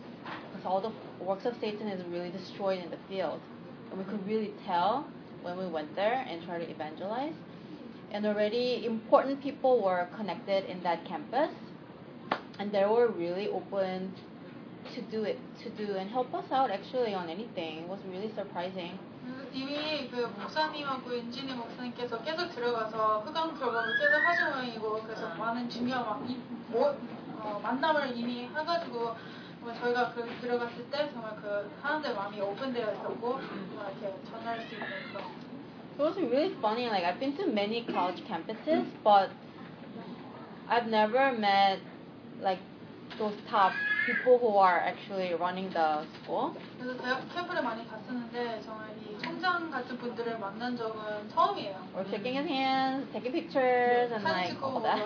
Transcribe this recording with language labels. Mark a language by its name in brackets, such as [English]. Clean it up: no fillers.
[English] Because all the works of Satan is really destroyed in the field. And we could really tell when we went there and tried to evangelize. And already important people were connected in that campus. And they were really open to do it, to do and help us out actually on anything. It was really surprising. [Korean] 이미 그 목사님하고 윤진희 목사님께서 계속 들어가서 흑암 결과를 계속 하시고 그래서 많은 중요한 만남을 이미 해가지고 저희가 그 들어갔을 때 정말 그 사람들 마음이 오픈되어 있었고 이렇게 전할 수 있는 [English] 그런 It was really funny. Like I've been to many college campuses, but I've never met like those top people who are actually running the school. [Korean] 그래서 대학 캠프를 많이 갔었는데 정말 이 총장 같은 분들을 만난 적은 처음이에요. [English] We're shaking his hands, taking pictures, and like all that.